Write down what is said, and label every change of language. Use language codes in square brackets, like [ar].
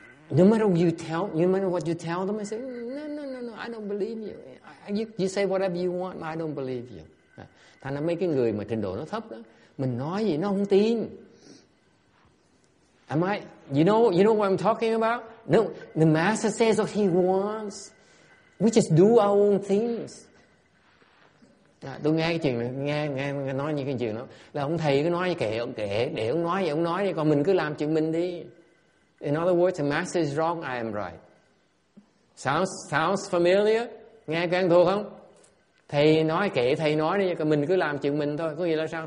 [en] No matter what you tell them, I say, no, I don't believe you. You say whatever you want, but I don't believe you. [vi] Thành ra mấy cái người mà trình độ nó thấp đó, mình nói gì nó không tin. [en] You know what I'm talking about? No, the master says what he wants. We just do our own things. [vi] Tôi nghe cái chuyện này, nghe nói như cái chuyện đó. Là ông thầy cứ nói kệ, ông kệ, để ông nói gì, ông nói gì, còn mình cứ làm chuyện mình đi. [en] In other words, the master is wrong, I am right. Sounds familiar? [vi] Nghe quen thuộc không? Thầy nói kệ, thầy nói đi, mình cứ làm chuyện mình thôi. Có nghĩa là sao?